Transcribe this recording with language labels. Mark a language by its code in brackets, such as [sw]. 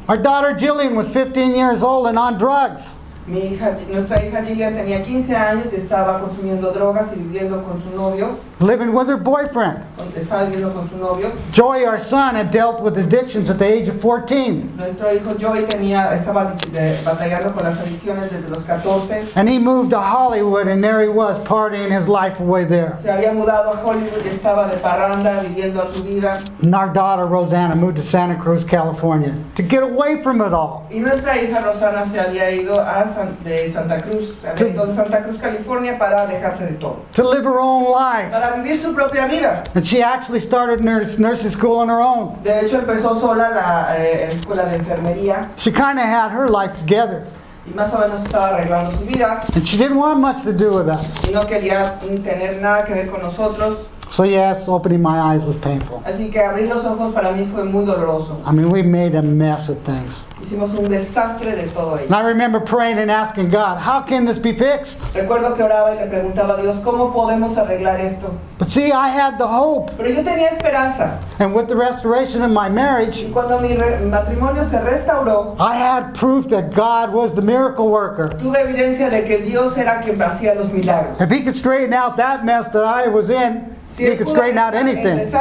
[en] Our daughter Jillian was 15 years old and on drugs. [es] Nuestra hija Jillian tenía 15 años y estaba consumiendo drogas y viviendo con su novio. [en] Living with her boyfriend. [es] Estaba viviendo con su novio. [en] Joy, our son, had dealt with addictions at the age of 14. [es] Nuestro hijo Joy estaba batallando con las adicciones desde los 14. [en] And he moved to Hollywood and there he was partying his life away there. [es] Se había mudado a Hollywood y estaba de parranda viviendo su vida. [en] And our daughter Rosanna moved to Santa Cruz, California to get away from it all. [es] Y nuestra hija Rosanna se había ido de Santa Cruz, California para alejarse de todo. [en] To live her own life. [es] Para vivir su propia vida. [en] And she actually started nursing school on her own. [es] De hecho, empezó sola la escuela de enfermería. [en] She kind of had her life together. [es] Y más o menos estaba arreglando su vida. [en] And she didn't want much to do with us. [es] Y no quería tener nada que ver con nosotros. [en] So yes, opening my eyes was painful. [es] Así que abrir los ojos para mí fue muy doloroso. [en] I mean, we made a mess of things. [es] Hicimos un desastre de todo ello. [en] And I remember praying and asking God, how can this be fixed? [es] Recuerdo que oraba y le preguntaba a Dios, ¿cómo podemos arreglar esto? [en] But see, I had the hope. [es] Pero yo tenía esperanza. [en] And with the restoration of my marriage, [es] y cuando mi matrimonio se restauró, [en] I had proof that God was the miracle worker. [es] Tuve evidencia de que Dios era quien hacía los milagros. [en] If he could straighten out that mess that I was in, he could straighten out anything.